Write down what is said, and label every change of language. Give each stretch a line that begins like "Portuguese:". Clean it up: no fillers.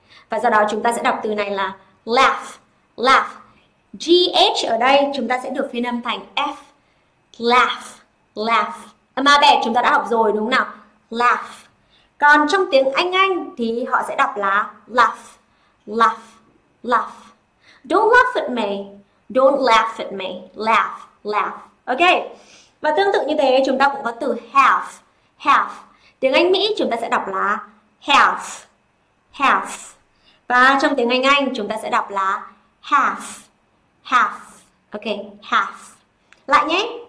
Vietnamese: Và do đó chúng ta sẽ đọc từ này là laugh, laugh. GH ở đây chúng ta sẽ được phiên âm thành F. Laugh, laugh. Âm a bẹt chúng ta đã học rồi đúng không nào? laugh. Còn trong tiếng Anh thì họ sẽ đọc là laugh, laugh, laugh.
English: Don't laugh at me, don't laugh at me, laugh, laugh.
Vietnamese: Ok, và tương tự như thế chúng ta cũng có từ have, have. Tiếng Anh Mỹ chúng ta sẽ đọc là have, have. Và trong tiếng Anh chúng ta sẽ đọc là have, have. Ok, have. Lại nhé.